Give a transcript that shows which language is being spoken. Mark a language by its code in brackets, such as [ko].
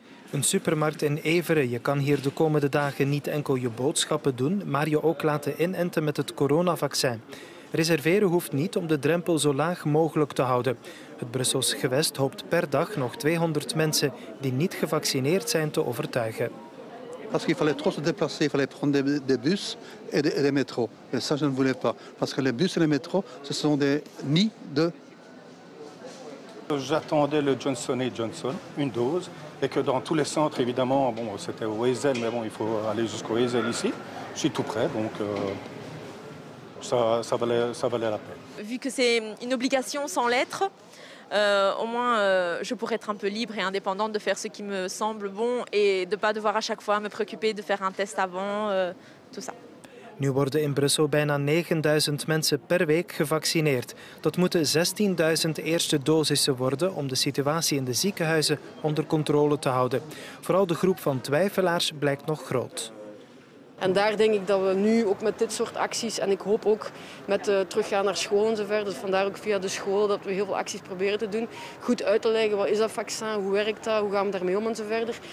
[nl] Een supermarkt in Everen. Je kan hier de komende dagen niet enkel je boodschappen doen, maar je ook laten inenten met het coronavaccin. Reserveren hoeft niet om de drempel zo laag mogelijk te houden. Het Brussels gewest hoopt per dag nog 200 mensen die niet gevaccineerd zijn te overtuigen. [fr] Parce qu'il fallait trop se déplacer, il fallait prendre des bus et des métros. Et ça je ne voulais pas parce que les bus et les métros ce sont des nids de. J'attendais le Johnson & Johnson, une dose. Et que dans tous les centres, évidemment, bon, c'était au Wesel, mais bon, il faut aller jusqu'au Wesel ici. Je suis tout prêt, donc ça valait la peine. Vu que c'est une obligation sans lettre, au moins je pourrais être un peu libre et indépendante de faire ce qui me semble bon et de ne pas devoir à chaque fois me préoccuper de faire un test avant, tout ça. [nl] Nu worden in Brussel bijna 9000 mensen per week gevaccineerd. Dat moeten 16.000 eerste dosissen worden om de situatie in de ziekenhuizen onder controle te houden. Vooral de groep van twijfelaars blijkt nog groot. En daar denk ik dat we nu ook met dit soort acties, en ik hoop ook met teruggaan naar school en zover, dus vandaar ook via de school dat we heel veel acties proberen te doen, goed uit te leggen wat is dat vaccin, hoe werkt dat, hoe gaan we daarmee om en zo verder.